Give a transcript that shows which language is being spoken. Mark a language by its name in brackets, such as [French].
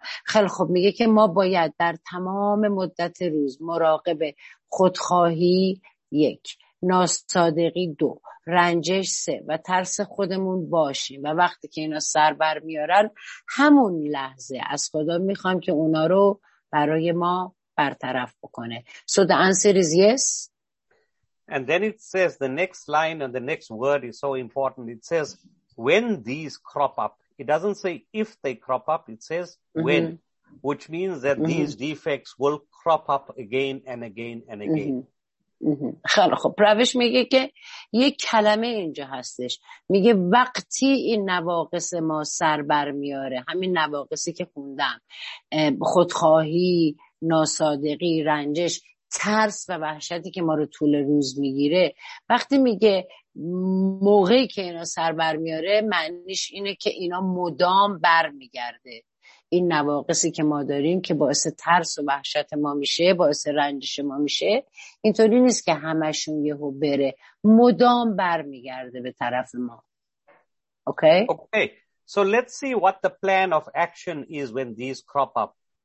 [Persian] خیلی خوب، میگه که ما باید در تمام مدت روز مراقب خودخواهی 1، ناصادقی 2، رنجش 3 و ترس خودمون باشیم، و وقتی که اینا سر بر میارن همون لحظه از خدا میخوام که اونا رو برای ما برطرف بکنه. [English] So the answer is yes. And then it says the next line and the next word is so important. It says when these crop up. It doesn't say if they crop up. It says when. Which means that these defects will crop up again and again and again. [Persian] خیلی خب، روش میگه که یک کلمه اینجا هستش، میگه وقتی این نواقص ما سر برمیاره، همین نواقصی که خوندم، خودخواهی، ناسادقی، رنجش، ترس و وحشتی که ما رو طول روز میگیره، وقتی میگه موقعی که اینا سر برمیاره، معنیش اینه که اینا مدام برمیگرده، این نواقصی که ما داریم که باعث ترس و وحشت ما میشه، باعث رنجش ما میشه، اینطوری نیست که همشون یهو بره، مدام برمیگرده به طرف ما. اوکی؟ اوکی. [English] So let's see what the plan of action is when these crop up.